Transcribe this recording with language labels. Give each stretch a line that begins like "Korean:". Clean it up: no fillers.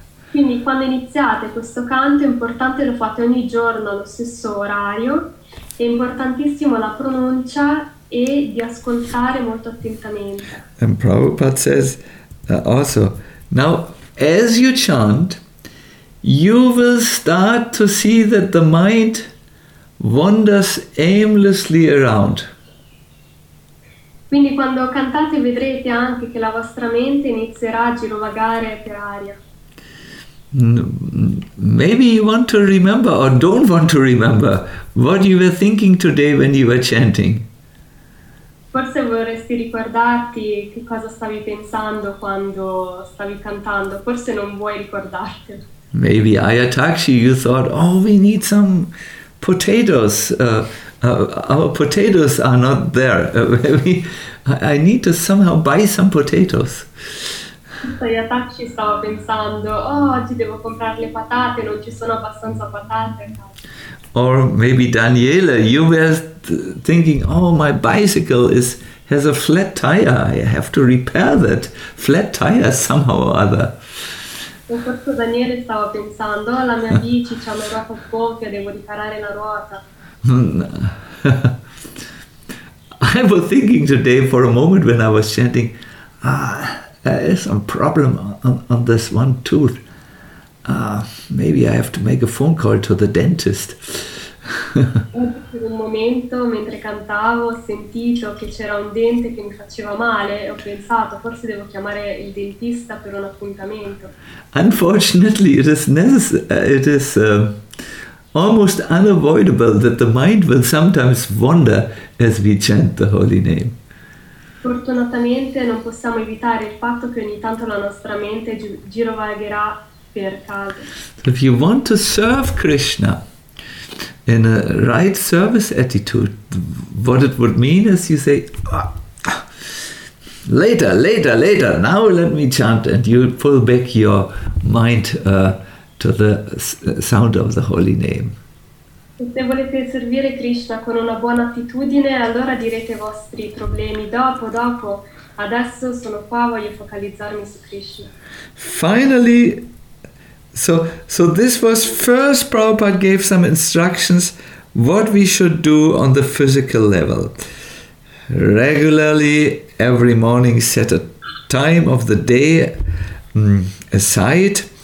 Italian: Quindi quando iniziate questo canto è importante lo fate ogni giorno allo stesso orario, è importantissimo la pronuncia e di ascoltare molto attentamente.
English: And Prabhupada says also, now as you chant, you will start to see that the mind wanders aimlessly around.
Italian: Quindi quando cantate vedrete anche che la vostra mente inizierà a girovagare per aria.
English: Maybe you want to remember or don't want to remember what you were thinking today when you were chanting.
Italian: Forse vorresti ricordarti che cosa stavi pensando quando stavi cantando, forse non vuoi ricordarti.
English: Maybe Ayataksi, you thought, oh, we need some potatoes. Our potatoes are not there. I need to somehow buy some potatoes.
Italian: Ayataksi stava pensando, oh, oggi devo comprare le patate, non ci sono abbastanza patate.
English: Or maybe Daniele, you were thinking, oh, my bicycle has a flat tire. I have to repair that flat tire somehow or other.
Italian: Forse Daniele stava pensando, la mia bici c'ha una ruota sporca, devo riparare la ruota.
English: I was thinking today for a moment when I was chanting, there is some problem on this one tooth. Maybe I have to make a phone call to the dentist.
Italian: Per un momento, mentre cantavo, ho sentito che c'era un dente che mi faceva male e ho pensato, forse devo chiamare il dentista per un appuntamento.
English: Unfortunately, it is almost unavoidable that the mind will sometimes wander as we chant the holy name.
Italian: Fortunatamente non possiamo evitare il fatto che ogni tanto la nostra mente girovagherà per caso.
English: So if you want to serve Krishna in a right service attitude, what it would mean is you say, later, later, later, now let me chant, and you pull back your mind to the sound of the holy name.
Italian: Se volete servire Krishna con una buona attitudine, allora direte i vostri problemi dopo, dopo. Adesso sono qua, voglio focalizzarmi su Krishna.
English: Finally, so this was first Prabhupada gave some instructions what we should do on the physical level. Regularly, every morning, set a time of the day aside.